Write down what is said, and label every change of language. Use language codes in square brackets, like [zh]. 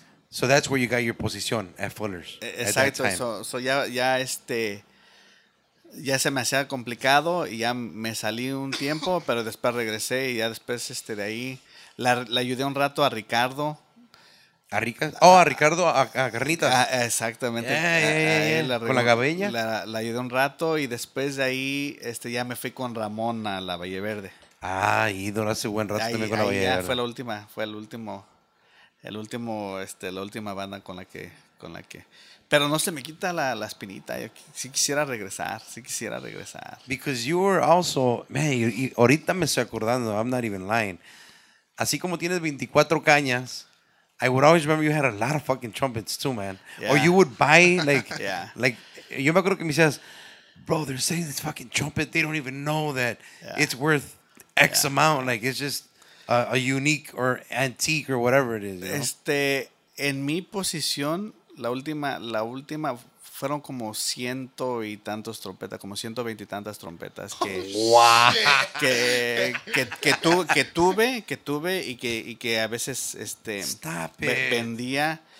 [en] So that's where you got your position, at Fullers. Exacto. At that time. [es] So ya ya se me hacía complicado y ya me salí un tiempo, pero después regresé y ya después de ahí le ayudé un rato a Ricardo. ¿A Ricardo? Oh, a Ricardo, a Carnitas. Exactamente. ¿Con la gabeña? La ayudé un rato y después de ahí ya me fui con Ramón a la Valle Verde. Ah, ídolo, hace buen rato también con la Valle Verde. Ya fue la última, la última banda con la que... Pero no se me quita la espinita. Yo sí quisiera regresar. [en] Because you were also, man, [es] ahorita me estoy acordando, [en] I'm not even lying. [es] Así como tienes 24 cañas, [en] I would always remember you had a lot of fucking trumpets too, man. Yeah. Or you would buy, [es] yo me acuerdo que me decías, [en] bro, they're saying this fucking trumpet, they don't even know that it's worth X amount. Like, it's just a unique or antique or whatever it is. [es] En mi posición, La última fueron como 100 y tantos trompetas, como 120 y tantas trompetas que tuve y que a veces vendía.